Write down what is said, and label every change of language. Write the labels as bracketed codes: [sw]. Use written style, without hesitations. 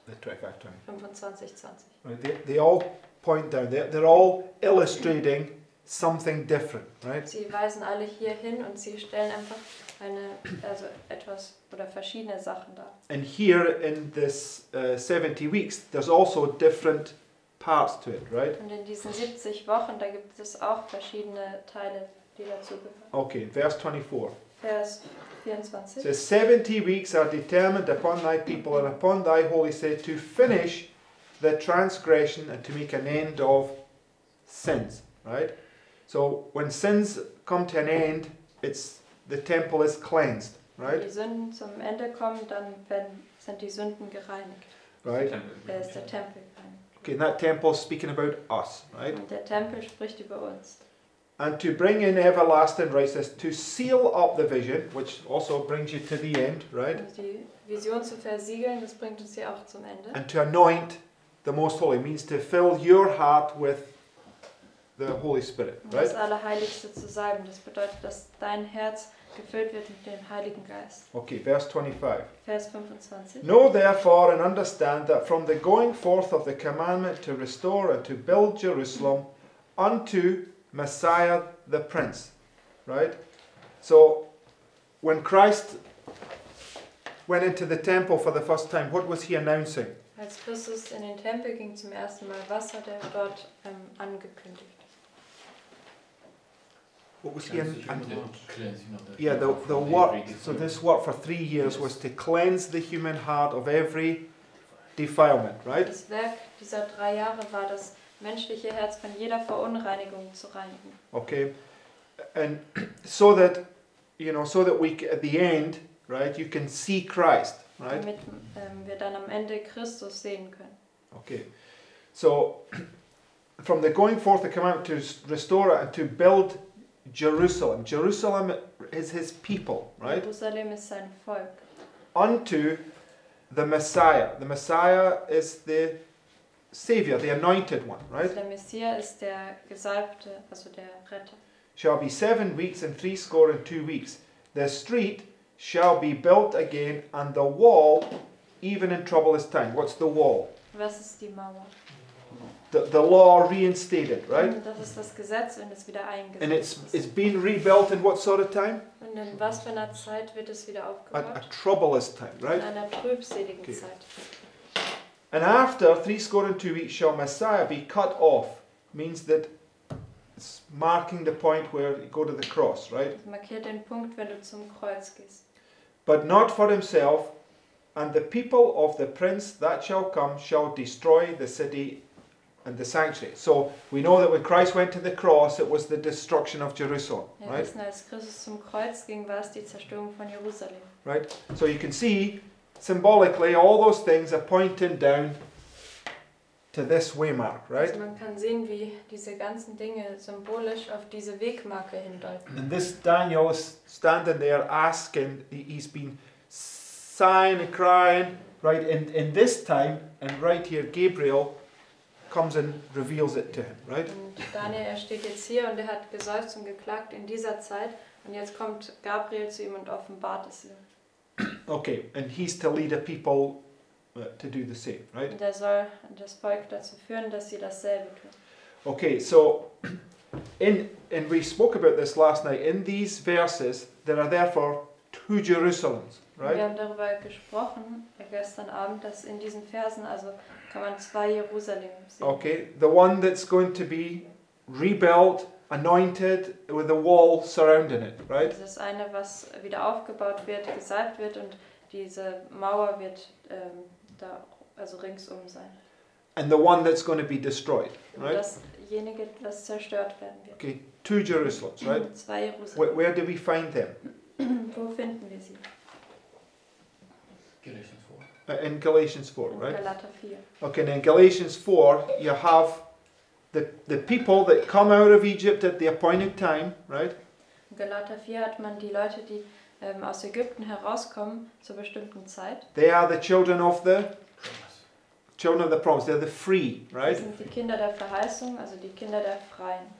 [en] the 2520. 2520. Right, they all point down. They're all illustrating something different, right? [de] Sie weisen alle hier hin und sie stellen einfach eine, also etwas oder verschiedene Sachen dar. [en] And here in this 70 weeks, there's also different parts to it, right? [de] Und in diesen 70 Wochen, da gibt es auch verschiedene Teile, die dazu gehören. Okay, Vers 24. Vers 24. [en] So 70 weeks are determined upon thy people and upon thy holy city to finish the transgression and to make an end of sins, right? So when sins come to an end, it's the temple is cleansed, right? [de] Wenn die Sünden zum Ende kommen, dann sind die Sünden gereinigt. [en] Right? [de] Der ist der Tempel. [en] Okay, and that temple is speaking about us, right? [de] Und der Tempel spricht über uns. [en] And to bring in everlasting righteousness, to seal up the vision, which also brings you to the end, right? [de] Die Vision zu versiegeln, das bringt uns hier auch zum Ende. [en] And to anoint the Most Holy means to fill your heart with the Holy Spirit, right? [de] Das Allerheiligste zu salben, das bedeutet, dass dein Herz gefüllt wird mit dem Heiligen Geist. Okay, Vers 25. Vers 25. [en] Know therefore and understand that from the going forth of the commandment to restore and to build Jerusalem unto Messiah the Prince, right? So, when Christ went into the temple for the first time, what was he announcing? [de] Als Christus in den Tempel ging zum ersten Mal, was hat er dort angekündigt? [en] What was he in? Yeah, the work. So this work for 3 years was to cleanse the human heart of every defilement, right? [de] Das Werk dieser 3 Jahre war, das menschliche Herz von jeder Verunreinigung zu reinigen. [en] Okay, and so that you know, so that we at the end, right? You can see Christ, right? [de] Damit wir dann am Ende Christus sehen können. [en] Okay, so from the going forth, the commandment to restore and to build Jerusalem. Jerusalem is his people, right? [de] Jerusalem is sein Volk. [en] Unto the Messiah. The Messiah is the Savior, the anointed one, right? [de] Der Messias ist der Gesalbte, also der Retter. [en] Shall be 7 weeks and 62 weeks. The street shall be built again and the wall even in troublous time. What's the wall? [de] Was ist die Mauer? [en] The law reinstated, right? [de] Das ist das Gesetz und es wieder eingesetzt. [en] And it's been rebuilt in what sort of time? [de] Und in was für einer Zeit wird es wieder aufgebaut? [en] A troublous time, right? [de] In einer trübseligen okay. Zeit. [en] And after 62 weeks shall Messiah be cut off, means that it's marking the point where you go to the cross, right? [de] Markiert den Punkt, wenn du zum Kreuz gehst. [en] But not for himself, and the people of the prince that shall come shall destroy the city and the sanctuary. So we know that when Christ went to the cross, it was the destruction of Jerusalem, right? [de] Wir wissen, als Christus zum Kreuz ging, war es die Zerstörung von Jerusalem. [en] Right? So you can see, symbolically, all those things are pointing down to this waymark, right? [de] Also man kann sehen, wie diese ganzen Dinge symbolisch auf diese Wegmarke hindeuten. [en] And this Daniel is standing there asking, he's been sighing and crying, Right, in this time, and right here, Gabriel comes and reveals it to him, right? [de] Und Daniel, steht jetzt hier und hat geseufzt und geklagt in dieser Zeit. Und jetzt kommt Gabriel zu ihm und offenbart es ihm. [en] Okay, and he's to lead the people to do the same, right? [de] Und soll das Volk dazu führen, dass sie dasselbe tun. [en] Okay, so, and we spoke about this last night, in these verses, there are therefore two Jerusalems, right? [de] Wir haben darüber gesprochen gestern Abend, dass in diesen Versen, also kann man zwei Jerusalem sehen. [en] Okay, the one that's going to be rebuilt, anointed with a wall surrounding it, right? [de] Das eine, was wieder aufgebaut wird, gesalbt wird und diese Mauer wird da also ringsum sein. [en] And the one that's going to be destroyed, right? [de] Dasjenige, das zerstört werden wird. [en] Okay, two Jerusalems, right? [de] Zwei Jerusalem. [en] Where do we find them? [de] Wo finden wir sie? [en] Galatians 4. In Galatians 4, right? [de] Galater 4. [en] Okay, and in Galatians 4, you have the people that come out of Egypt at the appointed time, right? [de] In Galater 4 hat man die Leute, die aus Ägypten herauskommen zur bestimmten Zeit. [en] They are the children of the promise. Children of the promise. They're the free, right? [de] Das sind die Kinder der Verheißung, also die Kinder der Freien.